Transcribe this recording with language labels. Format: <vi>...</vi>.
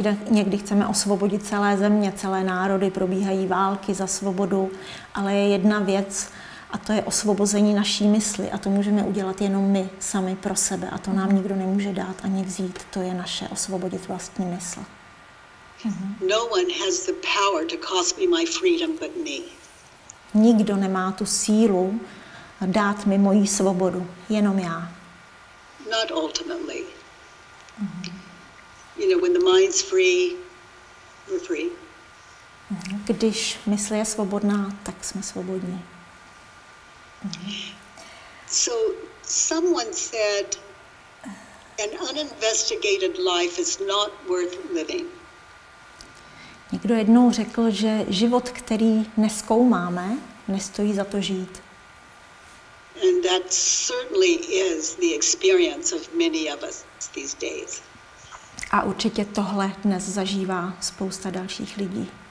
<cs>Někdy chceme osvobodit celé země, celé národy, probíhají války za svobodu, ale je jedna věc, a to je osvobození naší mysli. A to můžeme udělat jenom my sami pro sebe. A to nám nikdo nemůže dát ani vzít. To je naše osvobodit vlastní mysl.</cs> <en>No one has the power to cost me my freedom but me.</en> <cs>Nikdo nemá tu sílu dát mi moji svobodu, jenom já.</cs> <en>Not ultimately. You know, when the mind's free, we're free.</en> <cs>Když mysl je svobodná, tak jsme svobodní.</cs> <en>So someone said an uninvestigated life is not worth living.</en> <cs>Někdo jednou řekl, že život, který nezkoumáme, nestojí za to žít.</cs> <en>And that certainly is the experience of many of us these days.</en> <cs>A určitě tohle dnes zažívá spousta dalších lidí.</cs>